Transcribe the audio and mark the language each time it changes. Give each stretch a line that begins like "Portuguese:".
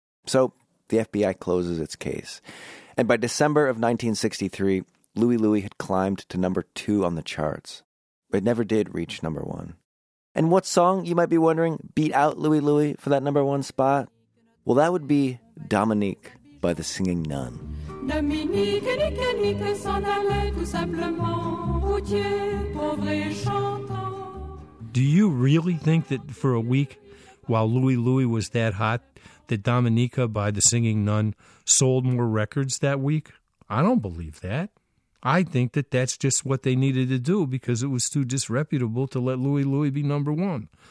English: So the FBI closes its case. And by December of 1963, Louie Louie had climbed to number 2 on the charts, but never did reach number 1. And what song, you might be wondering, beat out Louie Louie for that number 1 spot? Well, that would be Dominique by The Singing Nun.
French: Dominique, nique, nique, s'en allait tout simplement, routier, pauvre chantant.
English: Do you really think that for a week, while Louie Louie was that hot, that Dominique by The Singing Nun sold more records that week? I don't believe that. I think that that's just what they needed to do because it was too disreputable to let Louie Louie be number 1.